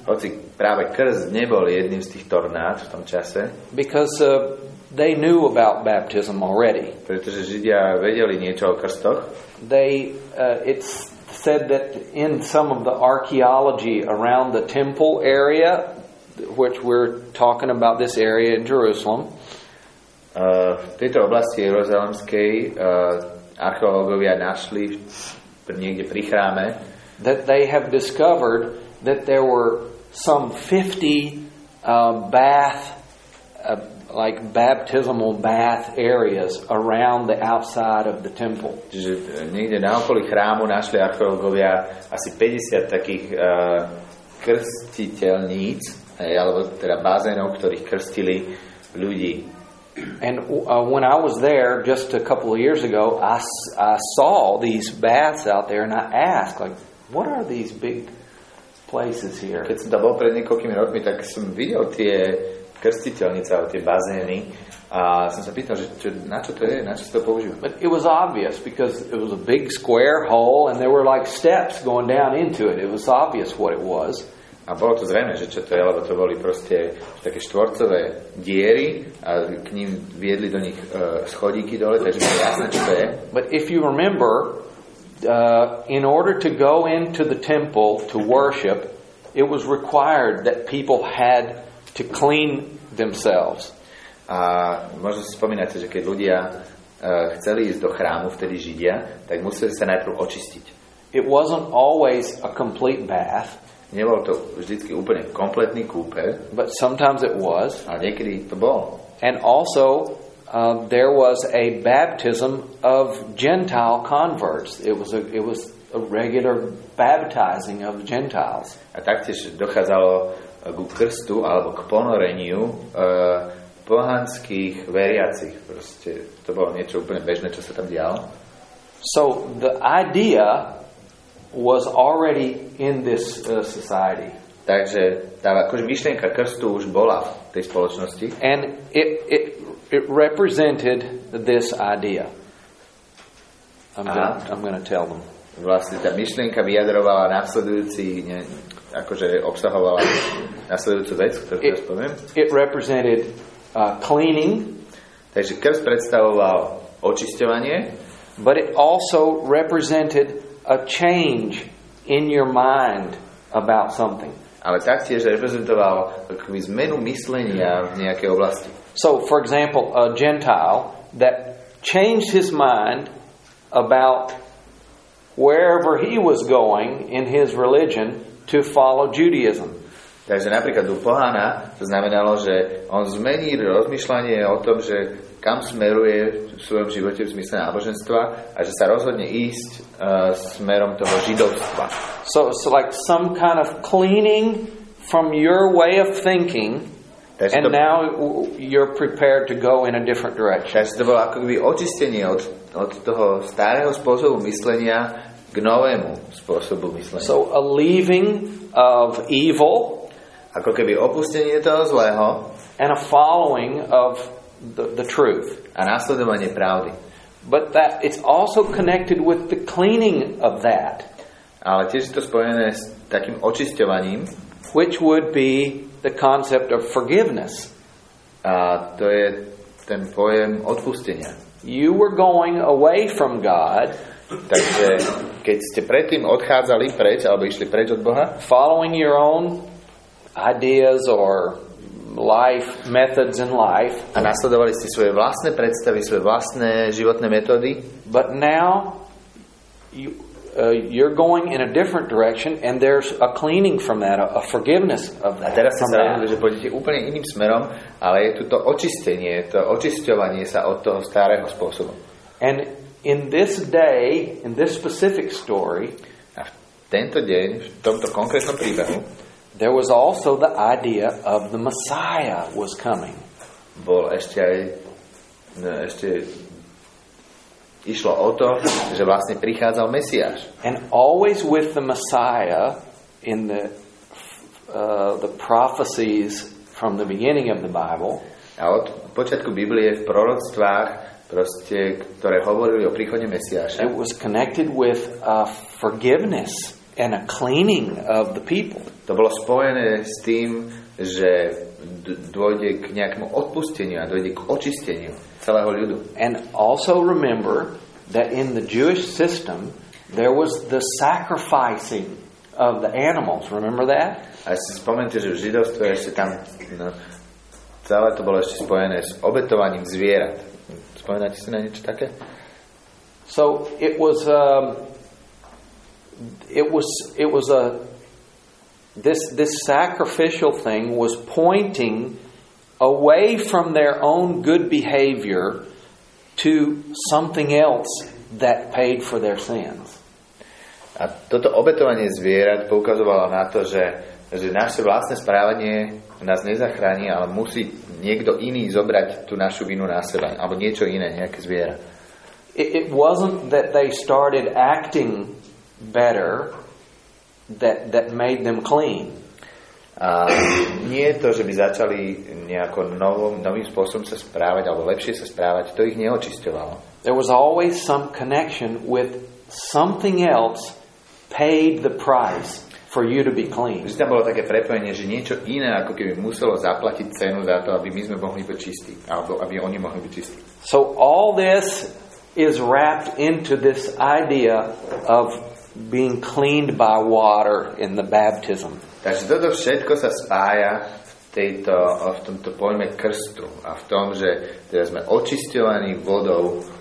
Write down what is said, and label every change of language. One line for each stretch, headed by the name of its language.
Slovak: Hoci práve krst nebol jedným z tých tornád v tom čase.
English: Because they knew about baptism already.
Slovak: Pretože Židia vedeli niečo o krstoch.
English: It said that in some of the archaeology around the temple area, which we're talking about this area in Jerusalem.
Slovak: V tejto oblasti jeruzalemskej archeológovia našli niekde pri chráme,
English: that they have discovered that there were some 50 baptismal bath areas around the outside of the temple.
Slovak: Čiže niekde na okolí chrámu našli archeológovia asi 50 takých krstiteľníc, alebo teda bazénov, ktorých krstili ľudí.
English: And when I was there just a couple of years ago, I saw these baths out there and I asked, like, what are these big places here?
Slovak: Keď som tam bol pred niekoľkými rokmi, tak som videl tie krstiteľnice alebo tie bazény a som sa pýtal, že na čo to je, na čo sa to používa.
English: But it was obvious because it was a big square hole and there were like steps going down into it. It was obvious what it was.
Slovak: A bolo to zrejme, že čo to je, lebo to boli proste také štvorcové diery a k ním viedli do nich schodíky dole, takže bolo jasné, čo to je.
English: But if you remember, in order to go into the temple to worship, it was required that people had to clean themselves.
Slovak: A možno si spomínate, že keď ľudia chceli ísť do chrámu, vtedy Židia, tak museli sa najprv očistiť.
English: It wasn't always a complete bath.
Slovak: Nebol to vždycky úplne kompletný kúpeľ,
English: but sometimes it was.
Slovak: A niekedy to bol.
English: And also there was a baptism of Gentile converts. It was a regular baptizing of Gentiles.
Slovak: A taktiež dochádzalo ku krstu alebo k ponoreniu pohanských veriacich. Proste to bolo niečo úplne bežné, čo sa tam dialo.
English: So the idea was already in this society.
Slovak: Takže tá akože myšlienka krstu už bola v tej spoločnosti.
English: And it represented this idea. I'm gonna tell them.
Slovak: Vlastne tá myšlienka vyjadrovala nasledujúci, ne, akože obsahovala nasledujúcu vec, ktorú teraz poviem.
English: It represented cleaning.
Slovak: Takže krst predstavoval očisťovanie.
English: But it also represented a change in your mind about something.
Slovak: Ale taktiež reprezentoval akoby zmenu myslenia v nejakej oblasti.
English: So, for example, a Gentile that changed his mind about wherever he was going in his religion to follow Judaism.
Slovak: Takže napríklad u pohana to znamenalo, že on zmení rozmýšľanie o tom, že kam smeruje v svojom živote v zmysle náboženstva a že sa rozhodne ísť smerom toho židovstva.
English: So like some kind of cleaning from your way of thinking.
Slovak: Takže
English: and to, now you're prepared to go in a different direction.
Slovak: Takže to bolo ako keby očistenie od toho starého spôsobu myslenia k novému spôsobu myslenia.
English: So a leaving of evil,
Slovak: ako keby opustenie toho zlého,
English: and a following of the truth,
Slovak: a nasledovanie pravdy.
English: But that it's also connected with the cleaning of that,
Slovak: ale tiež je to spojené s takým očisťovaním,
English: which would be the concept of forgiveness.
Slovak: A to je ten pojem odpustenia.
English: You were going away from God.
Slovak: Takže keď ste predtým odchádzali preč alebo išli preč od Boha,
English: following your own ideas or life methods in life,
Slovak: a nasledovali ste svoje vlastné predstavy, svoje vlastné životné metódy,
English: but now you're going in a different direction and there's a cleaning from that, a forgiveness of that.
Slovak: A teraz ste sa rozhodli, že pôjdete úplne iným smerom, ale je tu to očistenie, to očisťovanie sa od toho starého spôsobu.
English: And in this day, in this specific story,
Slovak: a v tento deň, v tomto konkrétnom príbehu,
English: there was also the idea of the Messiah was coming.
Slovak: Bol ešte aj, ešte išlo o to, že vlastne prichádzal Mesiáš.
English: And always with the Messiah in the prophecies from the beginning of the Bible.
Slovak: A od počiatku Biblie v proroctvách, proste, ktoré hovorili o príchode Mesiáša.
English: It was connected with a forgiveness and a cleaning of the people.
Slovak: To bolo spojené s tým, že dôjde k nejakému odpusteniu a dôjde k očisteniu celého ľudu.
English: And also remember that in the Jewish system there was the sacrificing of the animals. Remember that?
Slovak: A si spomente, že v židovstve ešte tam celé to bolo ešte spojené s obetovaním zvierat. Spomenáte si na niečo také?
English: So it was a sacrificial thing was pointing away from their own good behavior to something else that paid for their sins.
Slovak: A toto obetovanie zvierat poukazovalo na to, že naše vlastné správanie nás nezachráni, ale musí niekto iný zobrať tú našu vinu na seba, alebo niečo iné, nejaké zviera.
English: It wasn't that they started acting better that made them clean.
Slovak: A nie je to, že by začali nejako novým spôsobom sa správať alebo lepšie sa správať, to ich neočisťovalo.
English: There was always some connection with something else paid the price for you to be clean.
Slovak: Vždy tam bolo také prepojenie, že niečo iné ako keby muselo zaplatiť cenu za to, aby my sme mohli byť čistí, alebo aby oni mohli byť čistí.
English: So all this is wrapped into this idea of being cleaned by water in the baptism.
Slovak: Takže toto všetko sa spája v tomto pojme krstu a v tom, že teda sme očisťovaní vodou.